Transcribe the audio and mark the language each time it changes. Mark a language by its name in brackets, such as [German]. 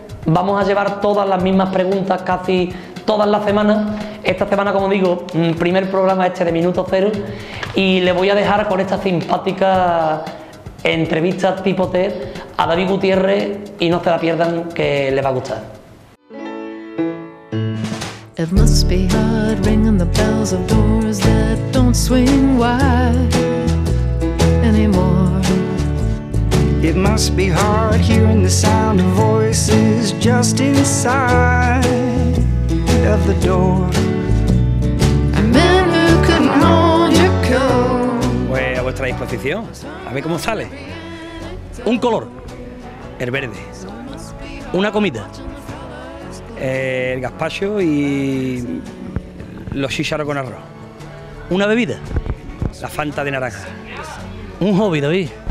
[Spanish] Vamos a llevar todas las mismas preguntas casi todas las semanas. Esta semana, como digo, primer programa este de Minuto Cero, y le voy a dejar con esta simpática entrevista tipo TED a David Gutiérrez, y no se la pierdan, que les va a gustar. [English] It must be hard ringing the bells of doors that don't swing wide anymore. It must be hard hearing the sound of voices just inside of the door. A man who couldn't hold your coat. [Spanish] Pues a vuestra disposición, a ver cómo sale. Un color, el verde. Una comida, el gazpacho y los chícharos con arroz. Una bebida, la Fanta de naranja. Un hobby, David.